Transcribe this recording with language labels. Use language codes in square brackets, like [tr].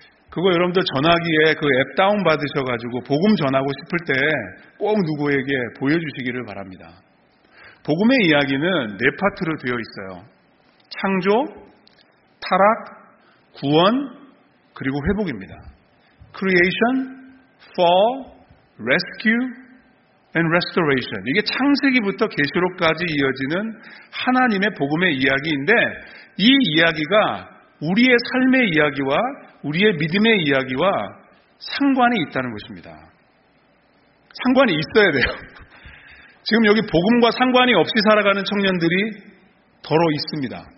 [ko] 그거 여러분들 전화기에 그 앱 다운 받으셔가지고 복음 전하고 싶을 때 꼭 누구에게 보여주시기를 바랍니다. 복음의 이야기는 네 파트로 되어 있어요. 창조, 타락, 구원, 그리고 회복입니다. [en] Creation, Fall, Rescue, and restoration. [ko] 이게 창세기부터 계시록까지 이어지는 하나님의 복음의 이야기인데 이 이야기가 우리의 삶의 이야기와 우리의 믿음의 이야기와 상관이 있다는 것입니다. 상관이 있어야 돼요. 지금 여기 복음과 상관이 없이 살아가는 청년들이 더러 있습니다.